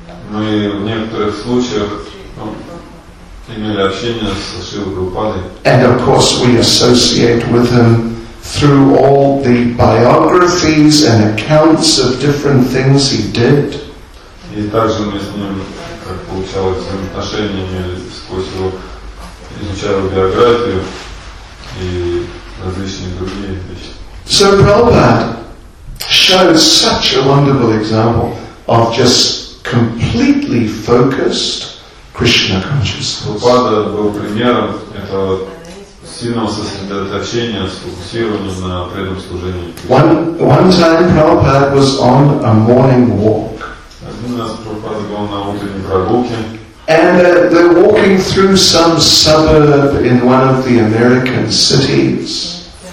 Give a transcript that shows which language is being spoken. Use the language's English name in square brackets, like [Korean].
[Russian] Мы в некоторых случаях, [English] And of course we associate with him through all the biographies and accounts of different things he did. [Russian] И также мы с ним, как получалось, отношения имели сквозь его, изучая биографию и различные другие вещи. [English] So Prabhupada shows such a wonderful example of just completely focused Krishna consciousness. [Russian] Prabhupada был примером этого сильного сосредоточения, сфокусированного на преданном служении. [English] One time Prabhupada was on a morning walk. And they're walking through some suburb in one of the American cities.